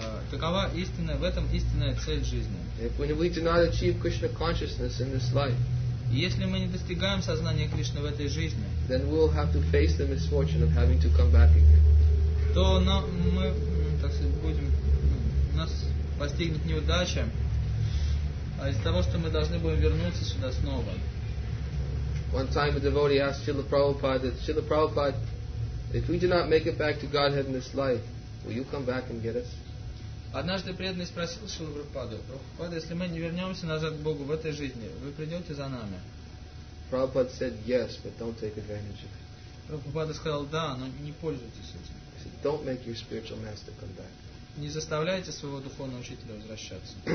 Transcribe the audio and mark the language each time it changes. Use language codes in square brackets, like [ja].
[ru] Такова истинная, в этом истинная цель жизни. [en] If we do not achieve Krishna consciousness in this life, [ru] если мы не достигаем сознания Кришны в этой жизни, [en] then we will have to face the misfortune of having to come back again. [ru] То мы, так сказать, будем, нас постигнет неудача из-за того, что мы должны будем вернуться сюда снова. [en] One time a devotee asked Srila Prabhupada, Srila Prabhupada, if we do not make it back to Godhead in this life, will you come back and get us? [ru] Однажды преданный спросил Шрилу Прабхупаду: «Прабхупада, если мы не вернемся назад к Богу в этой жизни, вы придете за нами?» [en] Prabhupada said yes, but don't take advantage of it. [ru] Прабхупада сказал: «Да, но не пользуйтесь этим». [en] He said, don't make your spiritual master come back. [ru] Не заставляйте своего духовного учителя возвращаться.